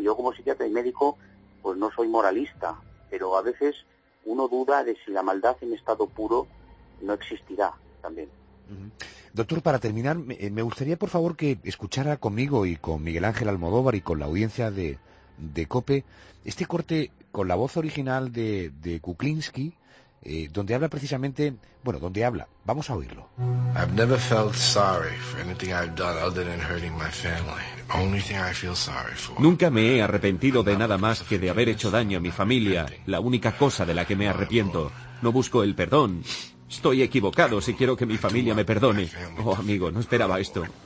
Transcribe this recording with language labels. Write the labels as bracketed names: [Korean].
[Spanish] Yo como psiquiatra y médico pues no soy moralista, pero a veces uno duda de si la maldad en estado puro no existirá también. Doctor, para terminar, me gustaría por favor que escuchara conmigo y con Miguel Ángel Almodóvar y con la audiencia de COPE este corte con la voz original de Kuklinski, donde habla precisamente, bueno, donde habla, vamos a oírlo. [English] I've never felt sorry for anything I've done other than hurting my family. The only thing I feel sorry for. [Spanish] Nunca me he arrepentido de nada más que de haber hecho daño a mi familia. La única cosa de la que me arrepiento. No busco el perdón. Estoy equivocado si quiero que mi familia me perdone. Oh, amigo, no esperaba esto.